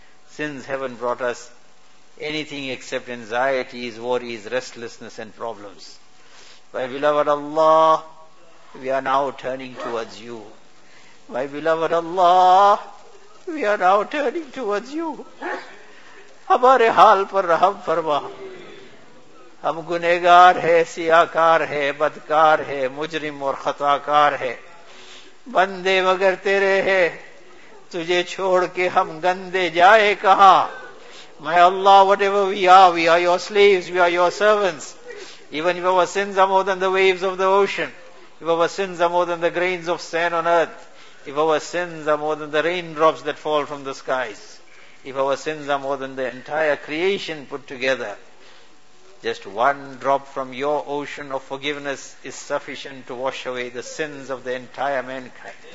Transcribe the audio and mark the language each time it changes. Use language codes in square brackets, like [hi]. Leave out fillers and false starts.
[en] Sins haven't brought us anything except anxieties, worries, restlessness and problems. My beloved Allah, we are now turning towards you. My beloved Allah, we are now turning towards you. [ur] Hamare haal par raham farma. ہم گنہگار ہے، سیاہکار ہے، بدکار ہے، مجرم اور خطاکار ہے، بندے مگر تیرے ہیں، تجھے چھوڑ کے ہم گندے جائے کہاں. [en] My Allah, whatever we are your slaves, we are your servants. Even if our sins are more than the waves of the ocean, if our sins are more than the grains of sand on earth, if our sins are more than the raindrops that fall from the skies, if our sins are more than the entire creation put together, just one drop from your ocean of forgiveness is sufficient to wash away the sins of the entire mankind.